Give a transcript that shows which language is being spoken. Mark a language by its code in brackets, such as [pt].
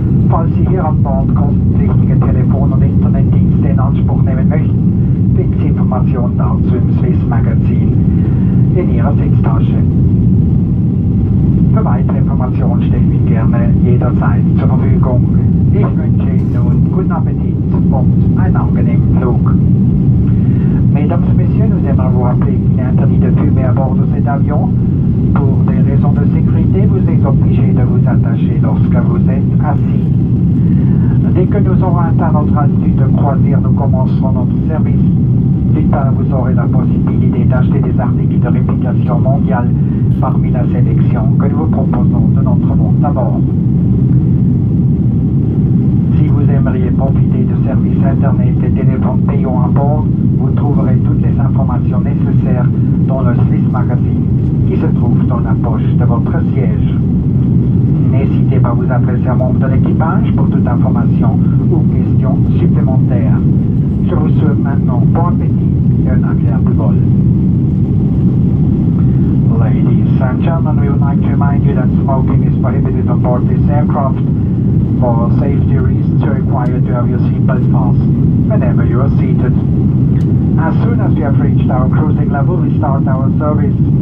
[de] Falls Sie hier an Bord kostenpflichtige Telefon- und Internetdienste in Anspruch nehmen möchten, finden Sie Informationen dazu im Swiss Magazin in Ihrer Sitztasche. Für weitere Informationen stehe ich gerne jederzeit zur Verfügung. Ich wünsche Ihnen nun guten Appetit und einen angenehmen Flug. [fr] Mesdames et Messieurs, nous aimerons rappeler qu'il est interdit de fumer à bord de cet avion. Pour des raisons de sécurité, vous êtes obligé de vous attacher lorsque vous êtes assis. Dès que nous aurons atteint notre altitude de croisière, nous commencerons notre service. Plus tard, vous aurez la possibilité d'acheter des articles de réputation mondiale parmi la sélection que nous vous proposons de notre monde à bord. Si vous aimeriez profiter de services internet et téléphones payants à bord, vous trouverez toutes les informations nécessaires dans le Swiss Magazine qui se trouve dans la poche de votre siège. N'hésitez pas à vous adresser à un membre de l'équipage pour toute information ou question supplémentaire. Je vous souhaite maintenant bon appétit et un agréable vol. [en] Ladies and gentlemen, we would like to remind you that smoking is prohibited on board this aircraft. For safety reasons, you are required to have your seatbelt fastened whenever you are seated. As soon as we have reached our cruising level, we start our service.